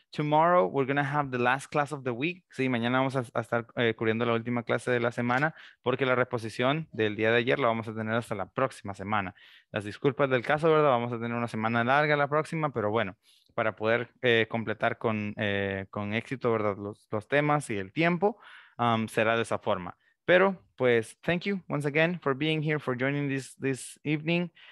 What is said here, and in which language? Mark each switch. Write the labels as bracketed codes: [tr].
[en] Tomorrow we're going to have the last class of the week. [es] Sí, mañana vamos a estar cubriendo la última clase de la semana porque la reposición del día de ayer la vamos a tener hasta la próxima semana. Las disculpas del caso, ¿verdad? Vamos a tener una semana larga la próxima, pero bueno, para poder completar con éxito, ¿verdad? Los temas y el tiempo será de esa forma. Pero pues, [en] thank you once again for being here, for joining this evening.